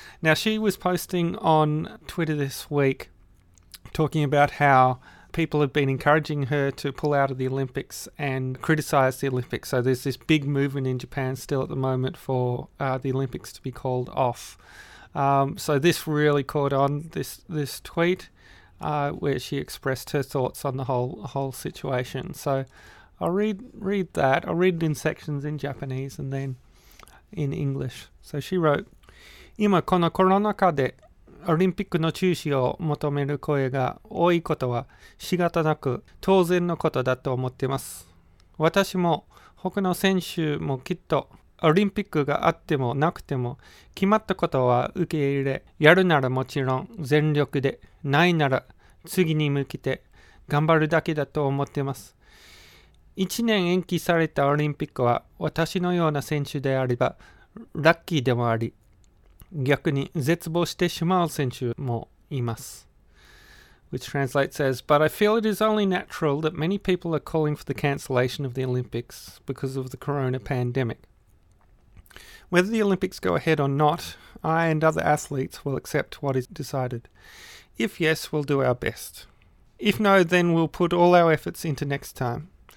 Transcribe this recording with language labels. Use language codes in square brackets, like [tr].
[en] Now, she was posting on Twitter this week talking about how people have been encouraging her to pull out of the Olympics and criticize the Olympics. So there's this big movement in Japan still at the moment for the Olympics to be called off. So this really caught on, this tweet, where she expressed her thoughts on the whole situation. So I'll read that. I'll read it in sections in Japanese and then in English. So she wrote, [ja] 今このコロナ禍でオリンピックの中止を求める声が多いことは仕方なく当然のことだと思っています。私も他の選手もきっとオリンピックがあってもなくても決まったことは受け入れ、やるならもちろん全力で、ないなら次に向けて頑張るだけだと思ってます。 1年延期されたオリンピックは私のような選手であればラッキーでもあり、逆に絶望してしまう選手もいます。 [en] Which translates as, but I feel it is only natural that many people are calling for the cancellation of the Olympics because of the corona pandemic. Whether the Olympics go ahead or not, I and other athletes will accept what is decided. If yes, we'll do our best. If no, then we'll put all our efforts into next time.